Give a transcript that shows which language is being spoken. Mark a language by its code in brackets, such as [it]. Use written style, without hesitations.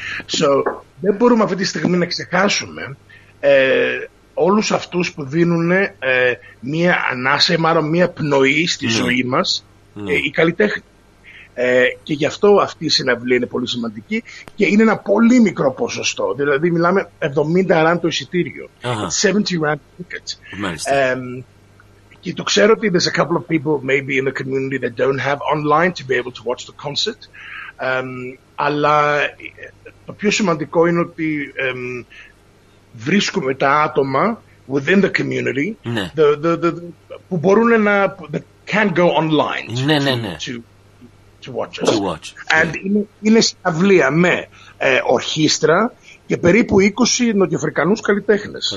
[en] So, [el] δεν μπορούμε αυτή τη στιγμή να ξεχάσουμε όλους αυτούς που δίνουν μία ανάσα ή μάλλον μία πνοή στη ζωή μας οι καλλιτέχνες. Και γι' αυτό αυτή η συναυλία είναι πολύ σημαντική και είναι ένα πολύ μικρό ποσοστό. Δηλαδή μιλάμε 70 rand το εισιτήριο. [en] 70 rand tickets. [el] Και το ξέρω ότι [en] there's a couple of people maybe in the community that don't have online to be able to watch the concert. [el] Αλλά το πιο σημαντικό είναι ότι βρίσκουμε τα άτομα [en] within the community [el] που μπορούν να [en] can go online to watch us. To watch. And [el] είναι συναυλία με ορχήστρα και περίπου 20 νοτιοαφρικανούς καλλιτέχνες.